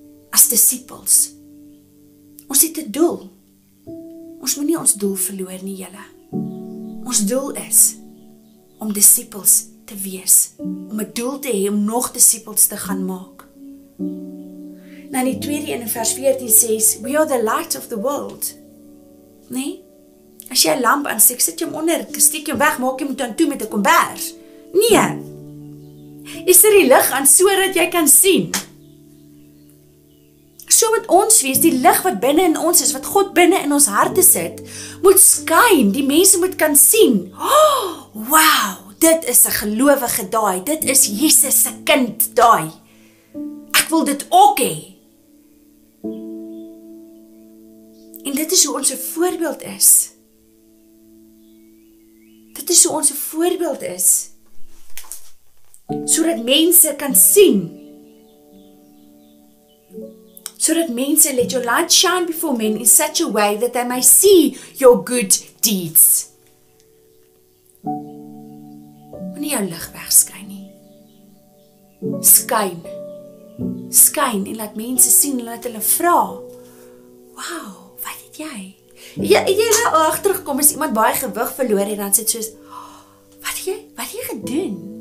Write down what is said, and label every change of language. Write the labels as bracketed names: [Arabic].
[Afrikaans] As disippels. Ons het 'n doel. Ons moet nie ons doel verloor nie, julle. Ons doel is om disippels te wees. Om 'n doel te hê om nog disippels te gaan maak. Nou in die tweede een in vers 14 sê, [English] "We are the light of the world." [Afrikaans] Nee? As jy 'n lamp aansteek, sit jy hom onder, steek jy hom weg, maak jy hom dan toe met 'n kombers. Nee! Jy sit die lig aan so dat jy kan sien. So moet ons wees, die lig wat binne in ons is, wat God binne in ons harte sit, moet skyn, die mense moet kan sien. Oh, wow, dit is 'n gelowige daai, dit is Jesus se kind daai. Ek wil dit ook hê. En dit is hoe ons 'n voorbeeld is. Dit is hoe ons 'n voorbeeld is. Sodat mense kan sien. Sodat mense, [English] let your light shine before men in such a way that they may see your good deeds. [Afrikaans] Moenie jou lig wegskyn nie. Skyn. Skyn en laat mense sien en laat hulle vra. Wow, wat het jy? Jy nou al agtergekom as iemand baie gewig verloor en dan sê soos, wat het jy gedoen?